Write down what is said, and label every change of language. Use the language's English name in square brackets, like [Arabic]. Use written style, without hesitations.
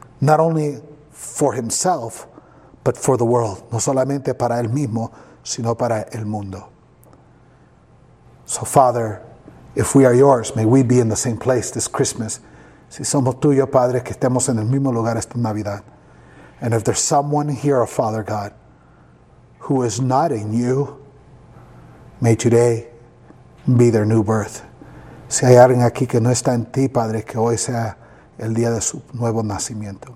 [English] Not only for himself, but for the world. [Spanish] No solamente para él mismo, sino para el mundo. [English] So, Father, if we are yours, may we be in the same place this Christmas. [Spanish] Si somos tuyos, Padre, que estemos en el mismo lugar esta Navidad. [English] And if there's someone here, Father God, who is not in you, may today be their new birth. [Spanish] Si hay alguien aquí que no está en ti, Padre, que hoy sea el día de su nuevo nacimiento.